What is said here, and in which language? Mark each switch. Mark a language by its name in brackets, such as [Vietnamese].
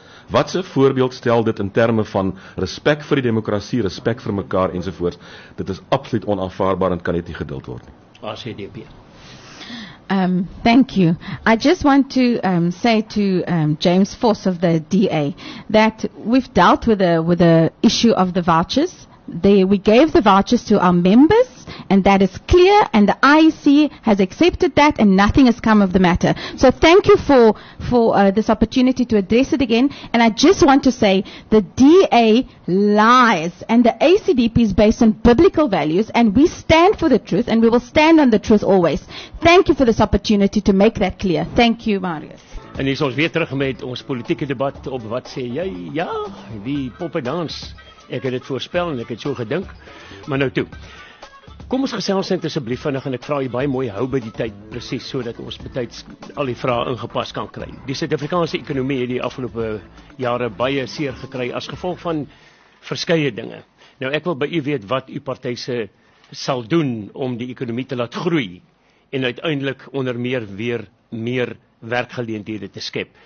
[Afrikaans] Wat 'n voorbeeld stel dit in terme van respek vir die demokrasie, respek vir mekaar ensovoorts? Dit is absoluut onaanvaarbaar en kan net nie geduld word nie. ACDP. [English] Thank you. I just want to say to James Force of the DA that we've dealt with the issue of the vouchers. We gave the vouchers to our members and that is clear and the IEC has accepted that and nothing has come of the matter. So thank you for this opportunity to address it again. And I just want to say the DA lies and the ACDP is based on biblical values and we stand for the truth and we will stand on the truth always. Thank you for this opportunity to make that clear. Thank you, Marius. [Afrikaans] En hier is ons weer terug met ons politieke debat op wat sê jy? Ja, die poppedans. Ek het dit voorspel en ek het so gedink. Maar nou toe. Kom ons gesels net asseblief vinnig en ek vra jy baie mooi hou by die tyd presies sodat ons betyds al die vrae ingepas kan kry. Die Suid-Afrikaanse ekonomie het die afgelope jare baie seer gekry as gevolg van verskeie dinge. Nou ek wil by u weet wat u party se sal doen om die ekonomie te laat groei en uiteindelik onder meer weer meer werkgeleenthede te skep.